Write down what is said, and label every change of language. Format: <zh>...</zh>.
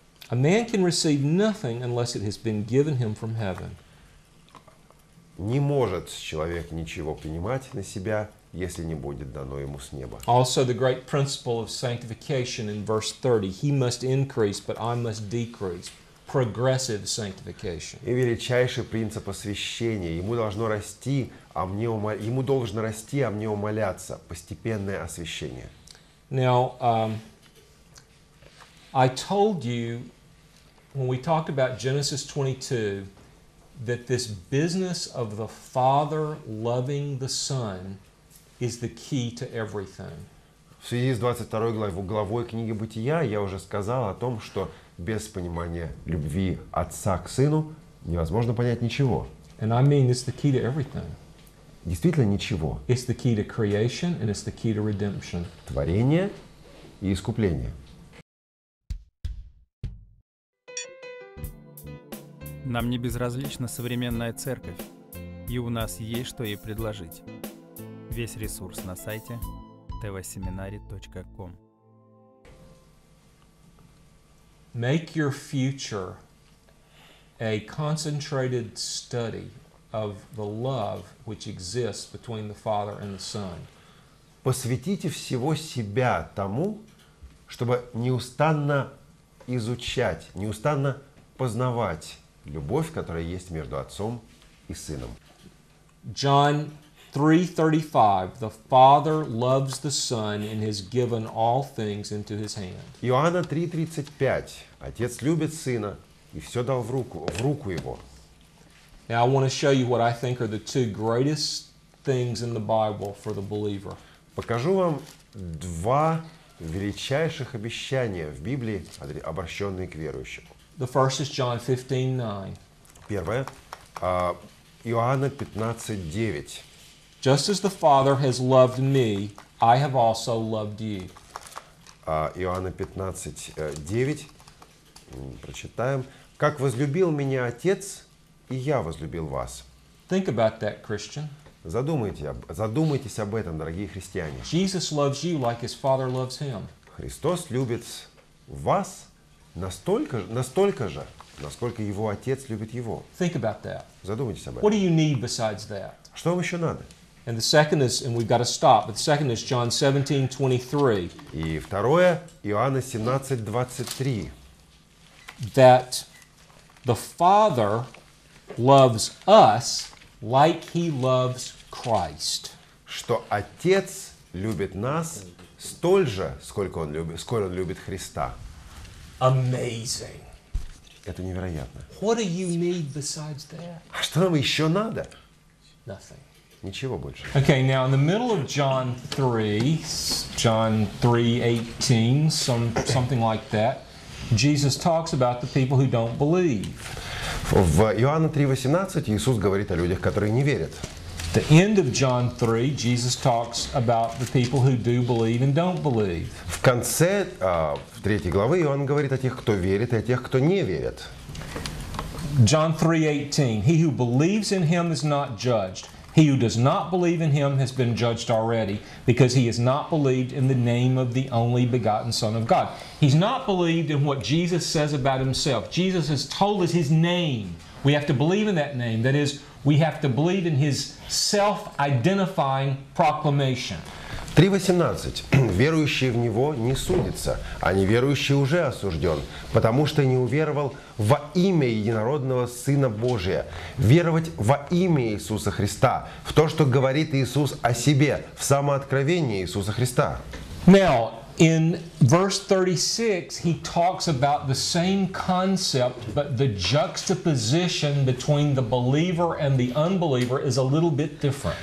<en>A man can receive nothing unless it has been given him from heaven.</en> <ru>Не может человек ничего принимать на себя, если не будет дано ему с неба.</ru> <en>Also the great principle of sanctification in verse 30. He must increase, but I must decrease. Progressive sanctification.</en> <ru>И величайший принцип освящения. Ему должно расти, а мне умаляться. Постепенное освящение.</ru> <en>Now, I told you, when we talked about Genesis 22, that this business of the Father loving the Son is the key to everything.</en> <ru>В связи с 22 главой книги Бытия я уже сказал о том, что без понимания любви отца к сыну невозможно понять ничего.</ru> <en>And I mean, it's the key to everything.</en> <ru>Действительно ничего.</ru> <en>It's the key to creation and it's the key to redemption.</en> <ru>Творение и искупление. Нам не безразлична современная церковь, и у нас есть что ей предложить. Весь ресурс на сайте tvseminary.com.</ru> <en>Make your future a concentrated study of the love which exists between the Father and the Son.</en> <ru>Посвятите всего себя тому, чтобы неустанно изучать, неустанно познавать любовь, которая есть между Отцом и Сыном.</ru> <en>John 3:35, the Father loves the Son and has given all things into his hand.</en> <ru>Иоанна 3:35, Отец любит Сына и все дал в руку его.</ru> <en>Now I want to show you what I think are the two greatest things in the Bible for the believer.</en> <ru>Покажу вам два величайших обещания в Библии, обращенные к верующим.</ru> <en>The first is John 15:9.</en> <ru>Первое, Иоанна 15:9.</ru> <en>Just as the Father has loved me, I have also loved you.</en> <ru>Иоанна 15:9. Прочитаем. Как возлюбил меня Отец, и я возлюбил вас.</ru> <en>Think about that, Christian.</en> <ru>Задумайтесь об этом, дорогие христиане.</ru> <en>Jesus loves you like his Father loves him.</en> <ru>Христос любит вас настолько же, насколько его Отец любит его.</ru> <en>Think about that.</en> <ru>Задумайтесь об этом.</ru> <en>What do you need besides that?</en> <ru>Что вам еще надо?</ru> <en>And the second is, and we've got to stop, but the second is John 17:23.</en> <ru>И второе, Иоанна 17:23.</ru> <en>That the Father loves us like he loves Christ.</en> <ru>Что Отец любит нас столь же, сколько он любит Христа.</ru> <en>Amazing.</en> <ru>Это невероятно.</ru> <en>What do you need besides that?</en> <ru>А что нам еще надо?</ru> <en>Nothing.</en> <ru>Ничего больше.</ru> <en>Okay, now in the middle of John 3, John 3:18, something like that, Jesus talks about the people who don't believe.</en> <ru>В Иоанна 3:18 Иисус говорит о людях, которые не верят.</ru> <en>The end of John 3, Jesus talks about the people who do believe and don't believe.</en> <ru>В конце, в третьей главе Иоанн говорит о тех, кто верит, и о тех, кто не верит.</ru> <en>John 3:18, he who believes in him is not judged. He who does not believe in him has been judged already, because he has not believed in the name of the only begotten Son of God. He's not believed in what Jesus says about himself. Jesus has told us his name. We have to believe in that name. That is, we have to believe in his self-identifying proclamation. 3:18.</en> <ru>Верующий в него не судится, а неверующий уже осужден, потому что не уверовал во имя Единородного Сына Божия. Веровать во имя Иисуса Христа, в то, что говорит Иисус о себе, в самооткровении Иисуса Христа.</ru> <en>Now, in verse 36, he talks about the same concept, but the juxtaposition between the believer and the unbeliever is a little bit different.</en>